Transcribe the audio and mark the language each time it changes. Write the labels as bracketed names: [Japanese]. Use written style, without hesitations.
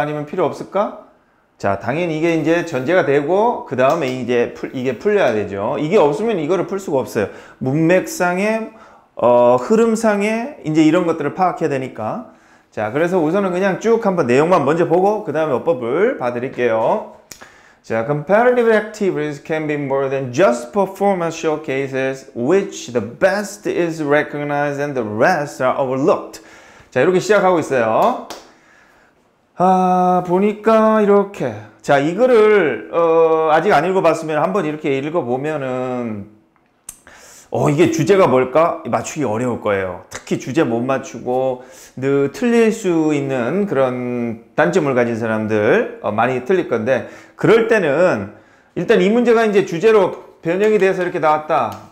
[Korean] 아니면 필요 없을까? 자, 당연히 이게 이제 전제가 되고, 그 다음에 이제 이게 풀려야 되죠. 이게 없으면 이거를 풀 수가 없어요. 문맥상의, 흐름상의, 이제 이런 것들을 파악해야 되니까. 자, 그래서 우선은 그냥 쭉 한번 내용만 먼저 보고, 그 다음에 어법을 봐드릴게요. 자, [English] comparative activities can be more than just performance showcases, which the best is recognized and the rest are overlooked. [Korean] 자, 이렇게 시작하고 있어요. 아, 보니까 이렇게. 자, 이거를 아직 안 읽어봤으면 한번 이렇게 읽어보면은 이게 주제가 뭘까? 맞추기 어려울 거예요. 특히 주제 못 맞추고 늘 틀릴 수 있는 그런 단점을 가진 사람들 많이 틀릴 건데, 그럴 때는 일단 이 문제가 이제 주제로 변형이 돼서 이렇게 나왔다.